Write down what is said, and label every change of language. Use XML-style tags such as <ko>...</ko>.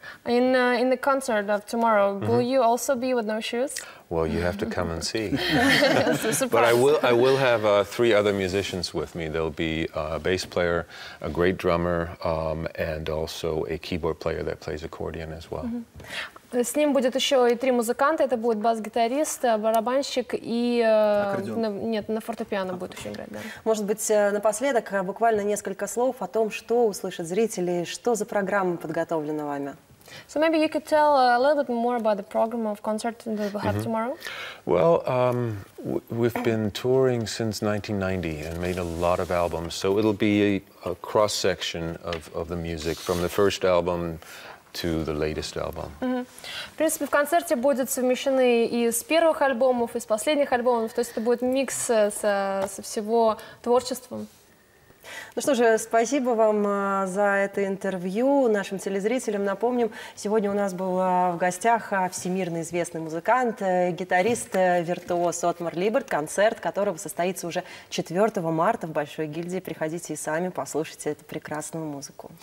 <en>In the concert of tomorrow, will mm-hmm. you also be with no shoes? Well, you have to come and see. But I will have three other musicians with me. There'll be a bass player, a great drummer, and also a keyboard player that plays accordion as well.</en> <ru>Mm-hmm. С ним будет еще и три музыканта. Это будет бас-гитарист, барабанщик и... на фортепиано будет еще играть. Да. Может быть, напоследок буквально несколько слов о том, что услышат зрители, что за программа подготовлена вами.</ru> <en>So maybe you could tell a little bit more about the program of concert that we'll have mm-hmm. tomorrow. Well, we've been touring since 1990 and made a lot of albums. So it'll be a cross-section of the music from the first album to the latest album. Mm-hmm.</en> <ru>В принципе, в концерте будет совмещены и с первых альбомов, и с последних альбомов. То есть это будет микс со всего творчеством. Ну что же, спасибо вам за это интервью. Нашим телезрителям напомним, сегодня у нас был в гостях всемирно известный музыкант, гитарист, виртуоз Отмар Либерт, концерт которого состоится уже 4 марта в Большой гильдии. Приходите и сами послушайте эту прекрасную музыку.</ru>